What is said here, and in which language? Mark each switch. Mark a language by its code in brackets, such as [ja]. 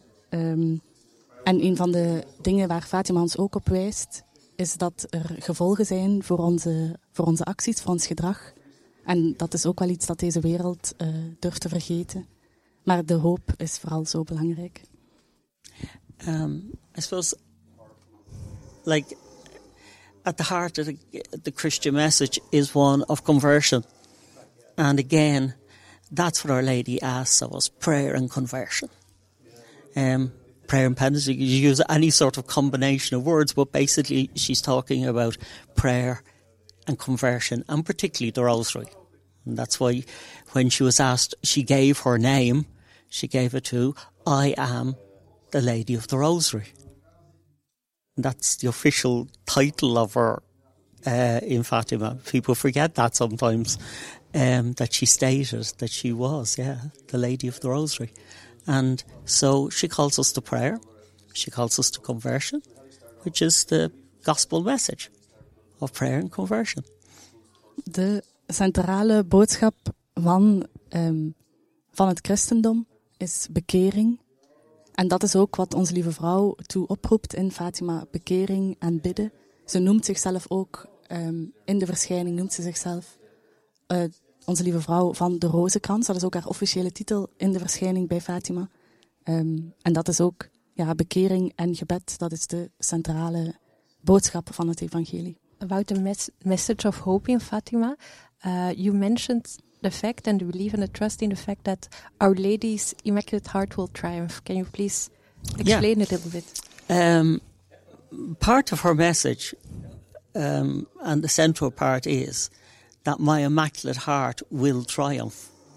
[nl] En een van de dingen waar Fatima ons ook op wijst, is dat er gevolgen zijn voor onze acties, voor ons gedrag. En dat is ook wel iets dat deze wereld durft te vergeten. Maar de hoop is vooral zo belangrijk. [en] I suppose, like, at the heart of the Christian message is one of conversion. And again, that's what Our Lady asks of us, prayer and conversion. Prayer and penance, you use any sort of combination of words, but basically she's talking about prayer and conversion, and particularly the rosary. And that's why when she was asked, she gave her name, she gave it to, I am the Lady of the Rosary. And that's the official title of her in Fatima. People forget that sometimes, that she stated that she was, yeah, the Lady of the Rosary. And so she calls us to prayer. She calls us to conversion, which is the gospel message of prayer and conversion. [nl] De centrale boodschap van het christendom is bekering. En dat is ook wat Onze Lieve Vrouw toe oproept in Fatima, bekering en bidden. Ze noemt zichzelf ook, in de verschijning noemt ze zichzelf Onze Lieve Vrouw van de Rozenkrans. Dat is ook haar officiële titel in de verschijning bij Fatima. En dat is ook, ja, bekering en gebed, dat is de centrale boodschap van het evangelie. [en] About the message of hope in Fatima, you mentioned the fact and the belief and the trust in the fact that Our Lady's Immaculate Heart will triumph. Can you please explain a little bit? Part of her message, and the central part, is that my Immaculate Heart will triumph.